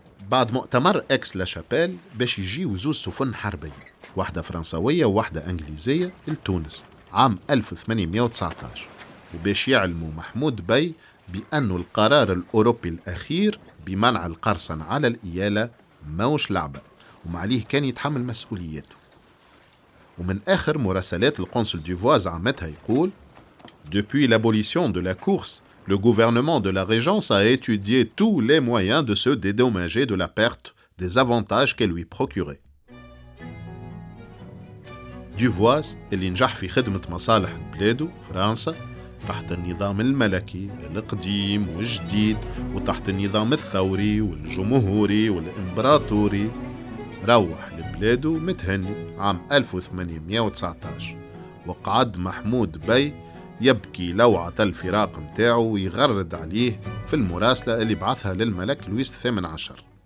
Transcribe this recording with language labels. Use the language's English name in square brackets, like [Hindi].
[Arabic] بعد مؤتمر اكس لاشابيل باش يجيو زوج سفن حربية، واحدة فرنسوية وواحدة أنجليزية لتونس عام 1819، وباش يعلموا محمود بي بأنه القرار الأوروبي الأخير بمنع القرصن على الإيالة ماوش لعبة، ومعليه كان يتحمل مسؤولياته. ومن آخر مراسلات القنصل ديفواز عامتها يقول: [French] Depuis l'abolition de la course, le gouvernement de la Régence a étudié tous les moyens de se dédommager de la perte des avantages qu'elle lui procurait. [Arabic] ديفواز اللي نجح في خدمة مصالح بلاده فرنسا تحت النظام الملكي القديم والجديد وتحت النظام الثوري والجمهوري والإمبراطوري روح لبلاده متهني عام 1819، وقعد محمود بي يبكي لوعة الفراق متاعه ويغرد عليه في المراسلة اللي بعثها للملك لويس الثامن عشر.